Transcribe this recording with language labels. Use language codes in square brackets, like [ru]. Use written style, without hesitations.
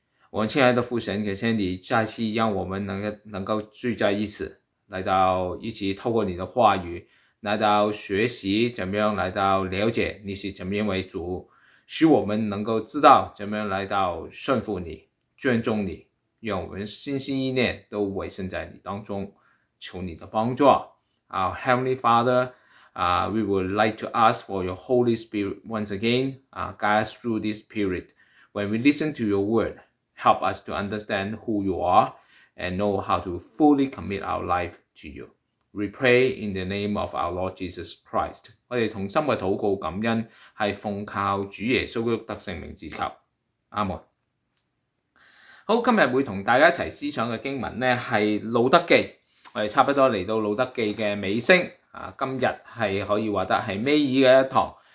[zh] 我们亲爱的父神感谢你再次让我们能够聚在一起，来到一起透过你的话语来到学习怎么样来到了解你是怎么样为主，使我们能够知道怎么样来到顺服你、尊重你，让我们心心意念都委身在你当中，求你的帮助。 [en] Our Heavenly Father, we would like to ask for your Holy Spirit once again, guide us through this period when we listen to your word. Help us to understand who you are and know how to fully commit our life to you. We pray in the name of our Lord Jesus Christ. [zh] 我们同心的祷告感恩是奉靠主耶稣基督得圣名之求。阿们。好，今天会同大家一起思想的经文呢是路德记。我们差不多来到路德记的尾声。今天是可以说得是尾二的一堂。